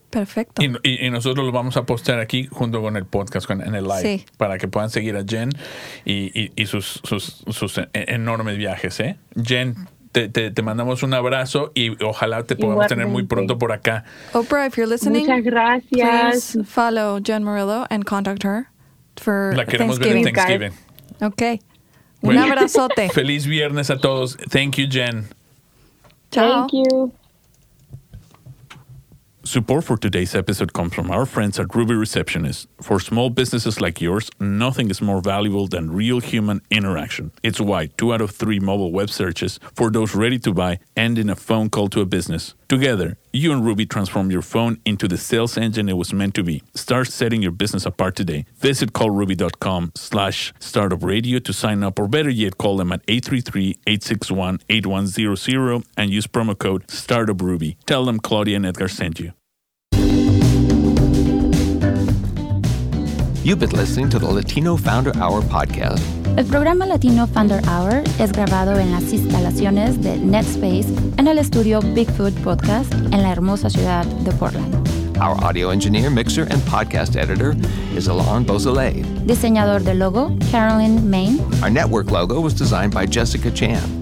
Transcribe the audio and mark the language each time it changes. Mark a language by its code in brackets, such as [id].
[es] Perfecto. Y nosotros lo vamos a postear aquí junto con el podcast, en el live. Sí. Para que puedan seguir a Jen y sus enormes viajes, ¿eh? Jen, te mandamos un abrazo y ojalá te podamos tener muy pronto por acá. [en] Oprah, if you're listening, [es] muchas gracias. [en] Please follow Jen Murillo and contact her for [es] La queremos ver en Thanksgiving. Okay. Un abrazote. Feliz viernes a todos. [en] Thank you, [es] Jen. [en] Chao. Thank you. Support for today's episode comes from our friends at Ruby Receptionist. For small businesses like yours, nothing is more valuable than real human interaction. It's why 2 out of 3 mobile web searches for those ready to buy end in a phone call to a business. Together, you and Ruby transform your phone into the sales engine it was meant to be. Start setting your business apart today. Visit callruby.com/startupradio to sign up, or better yet, call them at 833-861-8100 and use promo code STARTUPRUBY. Tell them Claudia and Edgar sent you. You've been listening to the Latino Founder Hour podcast. [es] El programa Latino Founder Hour es grabado en las instalaciones de NetSpace en el estudio Bigfoot Podcast en la hermosa ciudad de Portland. [en] Our audio engineer, mixer, and podcast editor is Alain Beausoleil. [es] Diseñador de logo, Carolyn Main. [en] Our network logo was designed by Jessica Chan.